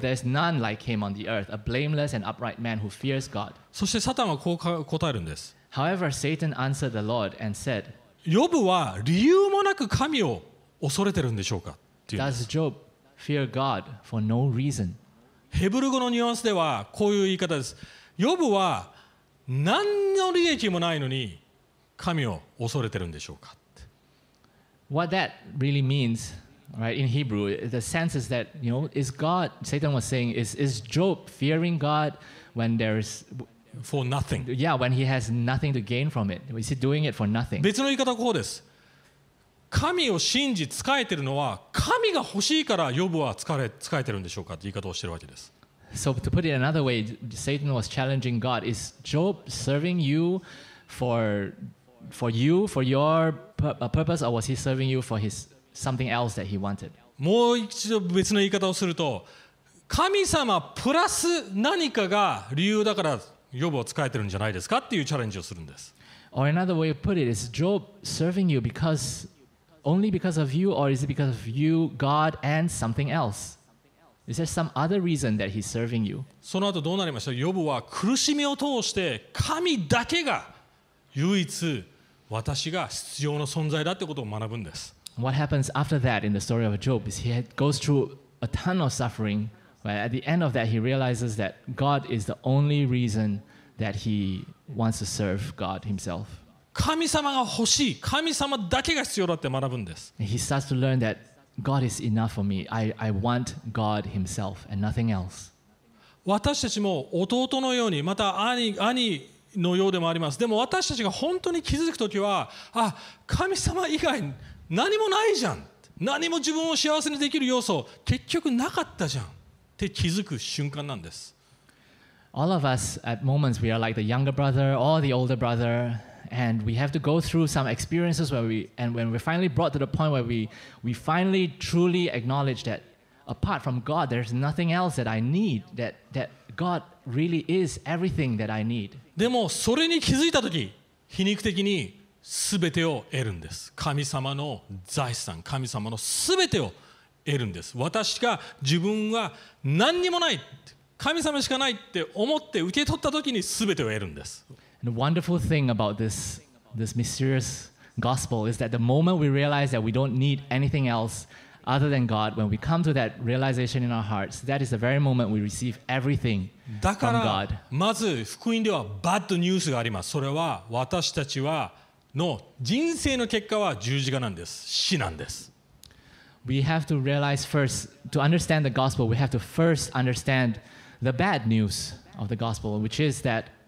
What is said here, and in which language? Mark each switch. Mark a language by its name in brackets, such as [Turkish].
[English] There's none like him on the earth, a blameless and upright man who fears God. [Japanese] そしてサタンはこう答えるんです。 [English] However, Satan answered the Lord and said, [Japanese] ヨブは理由もなく神を恐れてるんでしょうか? [English] Does Job fear God for no reason? [Japanese] ヘブル語のニュアンスではこういう言い方です。ヨブは何の利益もないのに神を恐れてるんでしょうか。 [English] What that really means, right, in Hebrew, the sense is that, you know, is God, Satan was saying, is Job fearing God when there is... For nothing. Yeah, when he has nothing to gain from it. Is he doing it for nothing? [Japanese] 別の言い方はこうです。神を信じ仕えてるのは神が欲しいからヨブは仕えてるんでしょうかって言い方をしてるわけです。 [English] So to put it another way, Satan was challenging God. Is Job serving you for you, for your purpose, or was he serving you for his something else that he wanted? [Japanese] もう一度別の言い方をすると、神様プラス何かが理由だからヨブを仕えてるんじゃないですかっていうチャレンジをするんです。 [English] Or another way to put it is Job serving you because only because of you, or is it because of you, God, and something else? Is there some other reason that he's serving you? [Japanese] その後どうなりました？ヨブは苦しみを通して神だけが唯一私が必要な存在だってことを学ぶんです。 [English] What happens after that in the story of Job is he goes through a ton of suffering, but at the end of that he realizes that God is the only reason that he wants to serve God himself. [Japanese] 神様が欲しい、神様だけが必要だって学ぶんです。 [English] He starts to learn that God is enough for me. I want God Himself and nothing else. [Japanese] 私たちも弟のように、また兄のようでもあります。でも私たちが本当に気づくときは、あ、神様以外何もないじゃん。何も自分を幸せにできる要素、結局なかったじゃんって気づく瞬間なんです。 [English] All of us at moments we are like the younger brother or the older brother. And we have to go through some experiences where when we finally brought to the point where we finally truly acknowledge that apart from God, there's nothing else that I need, that God really is everything that I need. [Japanese] でもそれに気づいた時、皮肉的に全てを得るんです。神様の財産、神様の全てを得るんです。私が自分は何にもない、神様しかないって思って受け取った時に全てを得るんです。 [English] The wonderful thing about this mysterious gospel is that the moment we realize that we don't need anything else other than God, when we come to that realization in our hearts, that is the very moment we receive everything from God. [Japanese] まず福音ではバッドニュースがあります。それは私たちはの人生の結果は十字架なんです。死なんです。 [English] We have to realize first, to understand the gospel, we have to first understand the bad news of the gospel, which is that